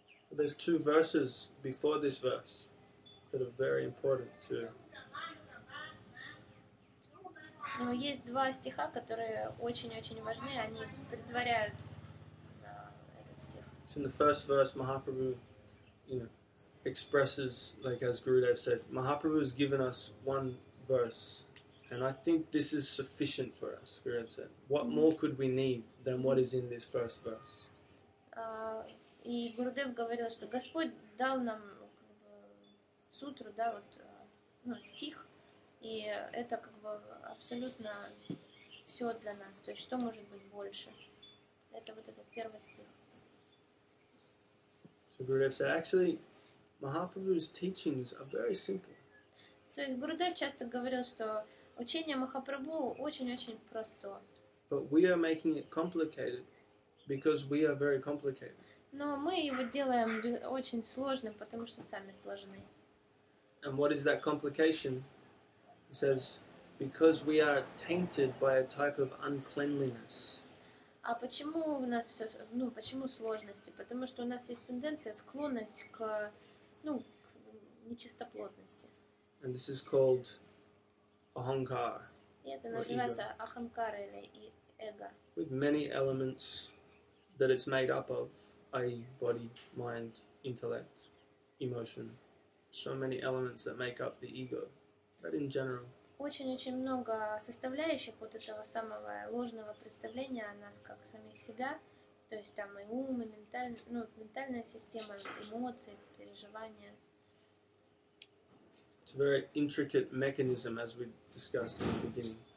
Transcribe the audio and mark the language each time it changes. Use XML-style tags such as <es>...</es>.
<en>There's two verses before this verse that are very important to</en> <ru>Но есть два стиха, которые очень-очень важны, они предваряют этот стих.</ru> <en>So in the first verse, Mahaprabhu, you know, expresses, like as Gurudev said, Mahaprabhu has given us one verse, and I think this is sufficient for us, Gurudev said. What more could we need than what is in this first verse?</en> <ru>И Гурудев говорил, что Господь дал нам как бы, сутру, да, вот, ну, стих, и это как бы абсолютно все для нас. То есть что может быть больше? Это вот этот первый стих.</ru> <en>So Gurudev said, actually, Mahaprabhu's teachings are very simple.</en> <ru>То есть Гурудев часто говорил, что учение Махапрабху очень-очень просто.</ru> <en>But we are making it complicated. Because we are very complicated.</en> <ru>Но мы его делаем очень сложным, потому что сами сложны.</ru> <en>And what is that complication? He says, because we are tainted by a type of uncleanliness.</en> <ru>А почему у нас все, ну, почему сложности? Потому что у нас есть тенденция, склонность к, ну, к нечистоплотности.</ru> <en>And this is called ahankar.</en> <ru>И это называется аханкара или эго.</ru> <en>With many elements that it's made up of, i.e. body, mind, intellect, emotion, so many elements that make up the ego, but in general.</en> <ru>Очень-очень много составляющих вот этого самого ложного представления о нас как самих себя, то есть там и ум, и ментальная система, эмоции, переживания.</ru> <en>It's a very intricate mechanism, as we discussed in the beginning.</en>